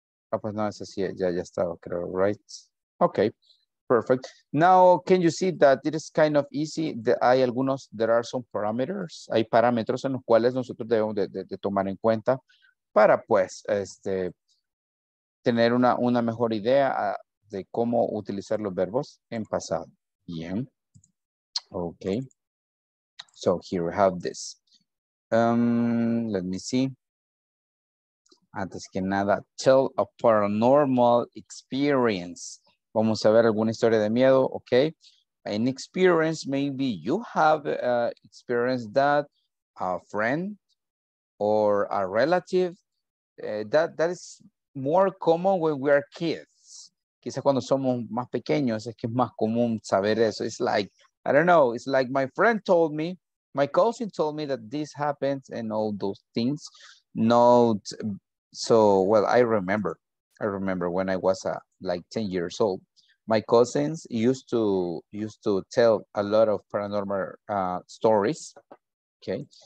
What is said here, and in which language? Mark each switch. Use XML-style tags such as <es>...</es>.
<es>Ah, pues no, esa sí, ya estaba, creo, right?</es> <en>Okay. Perfect. Now, can you see that it is kind of easy? There are some parameters.</en> <es>Hay parámetros en los cuales nosotros debemos de tomar en cuenta para, pues, este. Tener una mejor idea de cómo utilizar los verbos en pasado.</es> <en>Bien. Okay. So here we have this. Let me see.</en> <es>Antes que nada,</es> <en>tell a paranormal experience.</en> <es>Vamos a ver alguna historia de miedo. Okay.</es> <en>An experience, maybe you have experienced that a friend or a relative. That is more common when we are kids.</en> <es>Quizás cuando somos más pequeños es que es más común saber eso.</es> <en>It's like, I don't know, it's like my friend told me, my cousin told me that this happens and all those things. Not so well, I remember when I was like 10 years old, my cousins used to tell a lot of paranormal stories. Okay.</en>